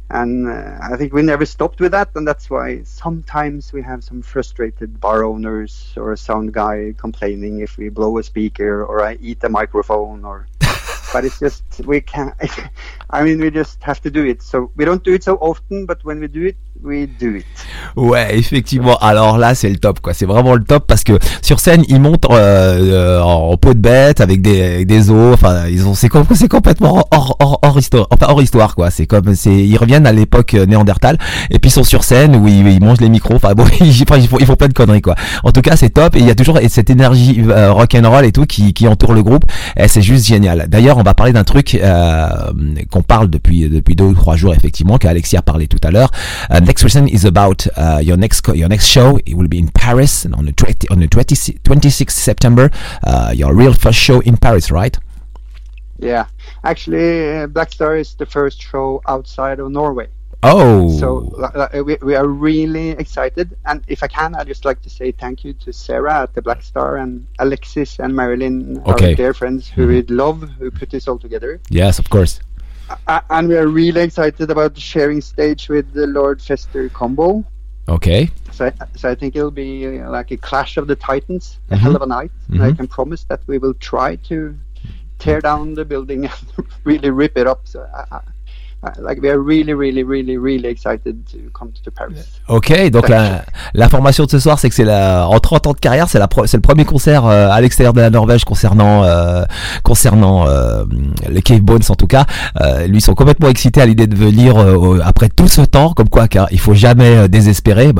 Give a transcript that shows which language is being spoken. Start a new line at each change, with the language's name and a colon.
English: And I think we never stopped with that, and that's why sometimes we have some frustrated bar owners or a sound guy complaining if we blow a speaker or I eat a microphone or But it's just, we can't, I mean, we just have to do it. So we don't do it so often, but when we do it, we do it.
French: Ouais, effectivement. Alors là, c'est le top, quoi. C'est vraiment le top parce que sur scène, ils montent en peau de bête avec des os. Enfin, ils ont, c'est complètement hors histoire. Enfin, hors histoire, quoi. Ils reviennent à l'époque néandertal et puis ils sont sur scène où ils mangent les micros. Enfin, bon, ils font plein de conneries, quoi. En tout cas, c'est top et il y a toujours cette énergie rock'n'roll et tout qui entoure le groupe. Et c'est juste génial. D'ailleurs, on va parler d'un truc qu'on parle depuis deux ou trois jours, effectivement, qu'Alexis a parlé tout à l'heure.
English: Next question is about your next show. It will be in Paris on the 26th September. Your real first show in Paris, right? Yeah, actually, Black Star is the first show outside of Norway. Oh, so we are really excited. And if I can, I'd just like to say thank you to Sarah at the Black Star and Alexis and Marilyn, okay, our dear friends who we'd love, who put this all together. Yes, of course. And we are really excited about sharing stage with the Lord Fester combo. Okay. So I think it'll be like a clash of the titans, a hell of a night. Mm-hmm. And I can promise that we will try to tear down the building and really rip it up. So like we are really, really, really, really excited to come to Paris.
French: Okay, donc la formation de ce soir, c'est que c'est en 30 ans de carrière, c'est le premier concert à l'extérieur de la Norvège concernant les Cave Bones, en tout cas. Lui, ils sont complètement excités à l'idée de venir après tout ce temps, comme quoi, car il faut jamais désespérer.